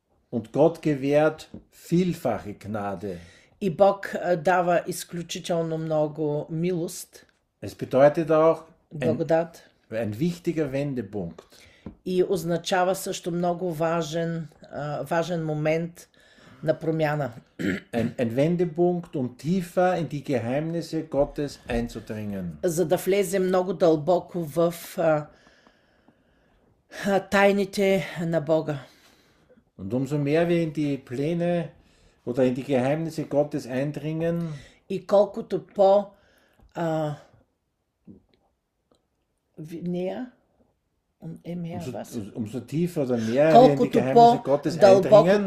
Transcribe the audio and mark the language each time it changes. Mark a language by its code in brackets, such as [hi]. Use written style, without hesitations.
[de] Und Gott gewährt vielfache Gnade. [bg] И Бог дава изключително много милост. [de] Es bedeutet auch [bg] благодат. [de] Ein wichtiger Wendepunkt. [bg] И означава също много важен момент на промяна. [de] Ein Wendepunkt, um tiefer in die Geheimnisse Gottes einzudringen. [bg] За да влезе много дълбоко в тайните на Бога. [de] Und umso mehr wir in die Pläne oder in die Geheimnisse Gottes eindringen, [bg] и колкото по [de] näher und mehr was, umso tiefer oder mehr wir in die Geheimnisse Gottes eindringen,